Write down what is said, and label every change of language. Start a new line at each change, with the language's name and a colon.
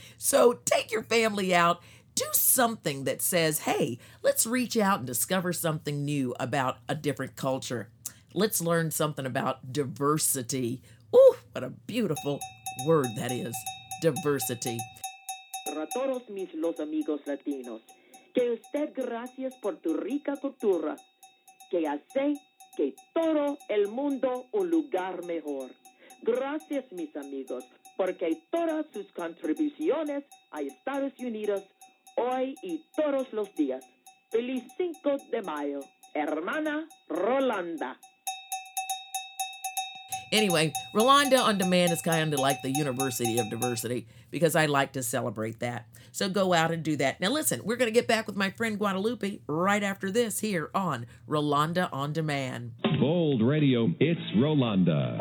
English: So take your family out. Do something that says, hey, let's reach out and discover something new about a different culture. Let's learn something about diversity. Ooh, what a beautiful word that is, diversity.
Spanish: Para todos mis los amigos latinos, que usted gracias por tu rica cultura, que hace que todo el mundo un lugar mejor. Gracias, mis amigos, porque todas sus contribuciones a Estados Unidos hoy y todos los días. Feliz Cinco de Mayo. hermana Rolanda.
English: Anyway, Rolanda on Demand is kind of like the University of Diversity because I like to celebrate that. So go out and do that. Now listen, we're going to get back with my friend Guadalupe right after this here on Rolanda on Demand. Bold Radio, it's Rolanda.